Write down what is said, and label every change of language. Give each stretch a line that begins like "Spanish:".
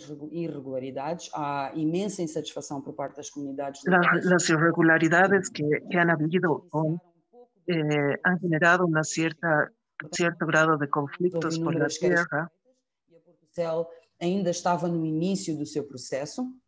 Portuguese: Irregularidades, há imensa insatisfação por parte das comunidades.
Spanish: As irregularidades que han habido han generado una cierto grado de conflictos por la tierra.
Portuguese: E a Portucel ainda estava no início do seu processo.